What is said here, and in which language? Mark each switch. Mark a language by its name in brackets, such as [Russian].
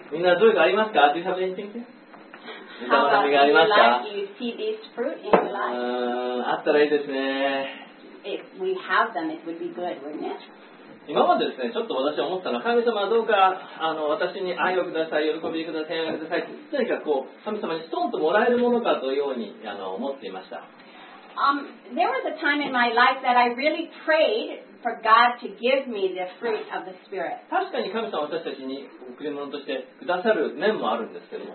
[Japanese] みんなどういうかありますか？ [English] Do you have anything? [Japanese] みんなの悩みがありますか？ [English] How about you like? Do you see these fruit in your life? [Japanese] あったらいいですね。 [English] If we have them, it would be good, wouldn't it? [Japanese] 今までですね、ちょっと私は思ったのは、神様はどうか私に愛をください、喜びください、平安をください、何かこう、神様にストンともらえるものかというように思っていました。 [English] There was a time in my life that I really prayed for God to give me the fruit of the Spirit. [Japanese] 確かに神様は私たちに贈り物としてくださる面もあるんですけども。